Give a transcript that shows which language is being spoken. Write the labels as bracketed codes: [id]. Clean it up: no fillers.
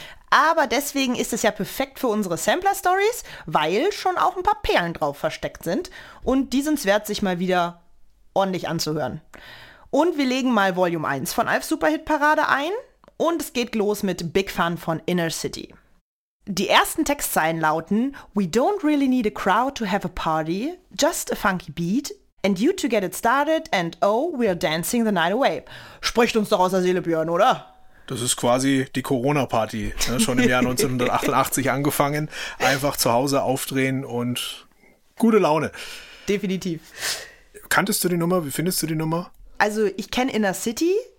[de] Aber deswegen ist es ja perfekt für unsere Sampler-Stories, weil schon auch ein paar Perlen drauf versteckt sind. Und die sind es wert, sich mal wieder ordentlich anzuhören. Und wir legen mal Volume 1 von Alf Superhit-Parade ein. Und es geht los mit Big Fun von Inner City. Die ersten Textzeilen lauten: [en] We don't really need a crowd to have a party, just a funky beat, and you to get it started, and oh, we're dancing the night away. [de] Spricht uns doch aus der Seele, Björn, oder? Das ist quasi die Corona-Party, ne? Schon im Jahr 1988 angefangen, einfach zu Hause aufdrehen und gute Laune. Definitiv. Kanntest du die Nummer? Wie findest du die Nummer? Also ich kenne Inner City,